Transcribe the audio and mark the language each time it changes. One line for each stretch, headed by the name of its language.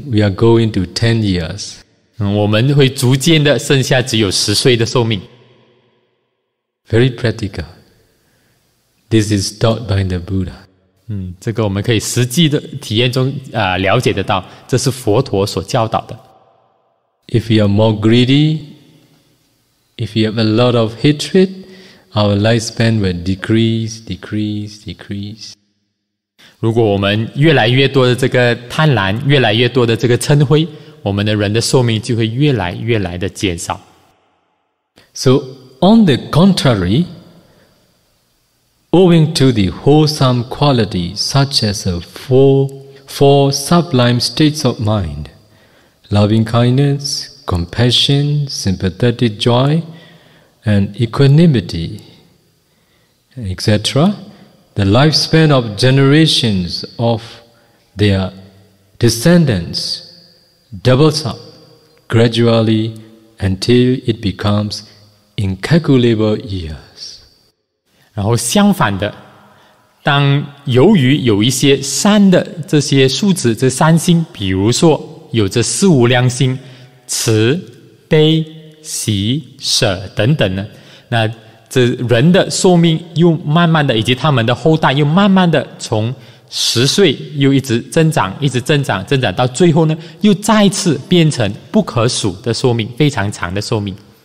English: We are going to 10 years.
Chinese: 我们会逐渐的剩下只有十岁的寿命。
English: Very practical. This is taught by the Buddha.
Chinese: 这个我们可以实际的体验中了解得到，这是佛陀所教导的。
English: If you are more greedy, if you have a lot of hatred, our lifespan will decrease, decrease, decrease.
Chinese: 如果我们越来越多的这个贪婪，越来越多的这个嗔恚，我们的人的寿命就会越来越来的减少。
English: So, on the contrary,Owing to the wholesome quality such as the four sublime states of mind, loving kindness, compassion, sympathetic joy, and equanimity, etc., the lifespan of generations of their descendants doubles up gradually until it becomes incalculable years.
Chinese: 然后相反的，当由于有一些三的这些数字，这三星，比如说有这四无量心，慈、悲、喜、舍等等呢，那这人的寿命又慢慢的，以及他们的后代又慢慢的从十岁又一直增长，一直增长，增长到最后呢，又再次变成不可数的寿命，非常长的寿命。